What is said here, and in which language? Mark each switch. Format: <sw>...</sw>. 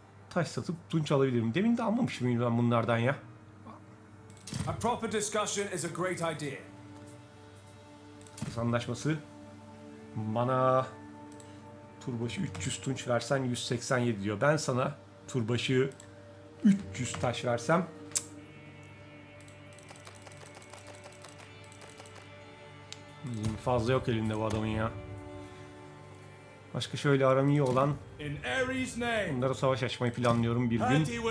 <tr>Taş satıp tunç alabilirim. Demin de almamışım ben bunlardan ya.</tr> <en>A proper discussion is a great idea.</en> <tr>Anlaşması. Bana turbaşı 300 tunç versen 187 diyor. Ben sana turbaşı 300 taş versem. Cık. Fazla yok elinde bu adamın ya. Başka şöyle aram iyi olan bunlara savaş açmayı planlıyorum bir gün.</tr>